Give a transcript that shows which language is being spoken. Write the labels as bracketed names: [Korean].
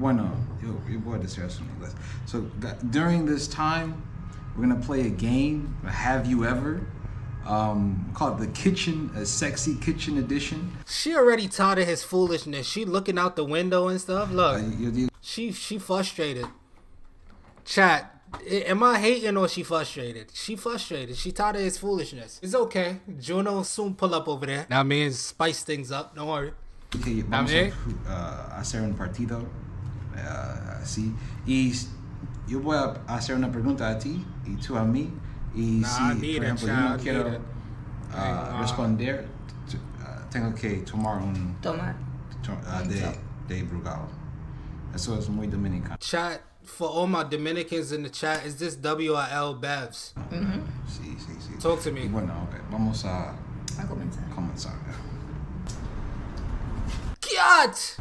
[Spanish] Bueno, yo voy a decir eso en inglés. [English] So, during this time, we're going to play a game, Have You Ever, called The Kitchen, a Sexy Kitchen Edition. She already tired of his foolishness. She looking out the window and stuff. Look, she frustrated. Chat, am I hating or she frustrated? She frustrated. She tired of his foolishness. It's okay. Juno will soon pull up over there. Now, man, spice things up. Don't worry. [Spanish] Okay, vamos a hacer un partido, así, y yo voy a hacer una pregunta a ti, y tú a mí, y nah, si, por ejemplo, [English] child, [Spanish] yo no quiero responder, tengo que tomar un... Tomar. De Brugal. Eso es muy dominicano. [English] Chat, for all my Dominicans in the chat, is this W-I-L Bevs? Mm-hmm. [Spanish] Sí. [English] Talk to me. [Spanish] Bueno, ok, vamos a... A comenzar. [English] God!